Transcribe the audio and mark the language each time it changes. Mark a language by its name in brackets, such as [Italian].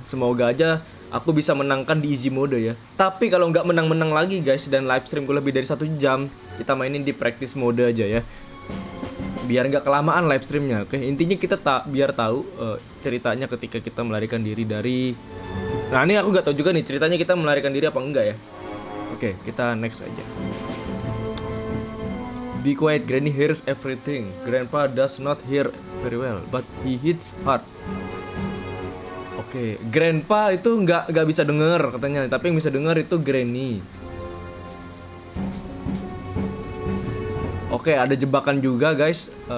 [Indonesian] Semoga aja aku bisa menangkan di easy mode ya. Tapi kalau nggak menang-menang lagi guys dan live streamku lebih dari 1 jam, kita mainin di practice mode aja ya. Biar nggak kelamaan live streamnya, oke? Intinya kita biar tahu ceritanya ketika kita melarikan diri dari. Nah ini aku nggak tahu juga nih ceritanya kita melarikan diri apa enggak ya. Oke, kita next aja. [English] Be quiet, Granny hears everything. Grandpa does not hear very well, but he hits hard. [Indonesian] Oke, Grandpa itu nggak bisa dengar katanya, tapi yang bisa dengar itu Granny. Oke, ada jebakan juga guys.